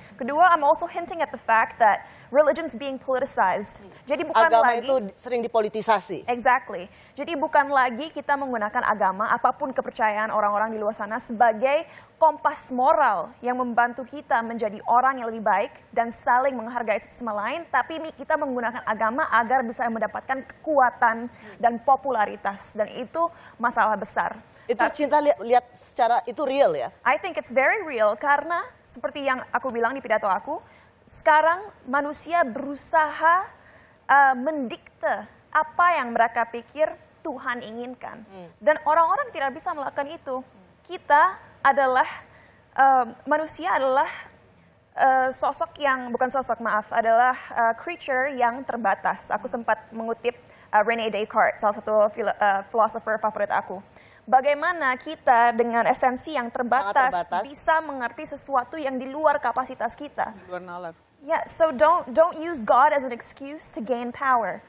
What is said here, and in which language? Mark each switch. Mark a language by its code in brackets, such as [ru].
[id] Kedua, [en] I'm also hinting at the fact that religion's being politicized. [id] Jadi bukan agama lagi, itu sering dipolitisasi. [en] Exactly. [id] Jadi bukan lagi kita menggunakan agama apapun kepercayaan orang-orang di luar sana sebagai kompas moral yang membantu kita menjadi orang yang lebih baik dan saling menghargai satu sama lain, tapi kita menggunakan agama agar bisa mendapatkan kekuatan dan popularitas, dan itu masalah besar. Itu Cinta lihat secara itu real ya? [en] I think it's very real [id] karena seperti yang aku bilang di pidato aku, sekarang manusia berusaha mendikte apa yang mereka pikir Tuhan inginkan. Dan orang-orang tidak bisa melakukan itu. Kita adalah, manusia adalah sosok yang, bukan sosok maaf, adalah creature yang terbatas. Aku sempat mengutip Rene Descartes, salah satu philosopher favorit aku. Bagaimana kita dengan esensi yang terbatas bisa mengerti sesuatu yang di luar kapasitas kita. Di luar nalar. [en] Yeah, so don't use God as an excuse to gain power.